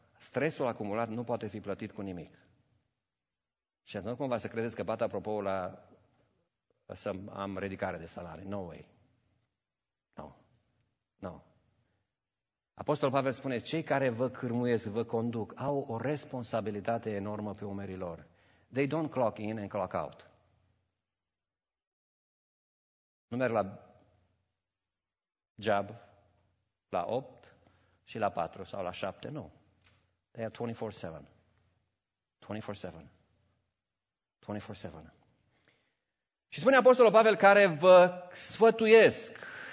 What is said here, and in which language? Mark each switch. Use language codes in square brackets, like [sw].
[ro] Stresul acumulat nu poate fi plătit cu nimic. Și atunci nu cumva să credeți că bat apropo la să am ridicare de salarii. [en] No way. [ro] No. Apostolul Pavel spune, cei care vă cârmuiesc, vă conduc, au o responsabilitate enormă pe umerii lor. [en] They don't clock in and clock out. [ro] Nu merg la job la 8 și la 4 sau la 7, nu. [en] They are 24/7. 24/7. 24/7. [ro] Și spune Apostolul Pavel, care vă sfătuiesc.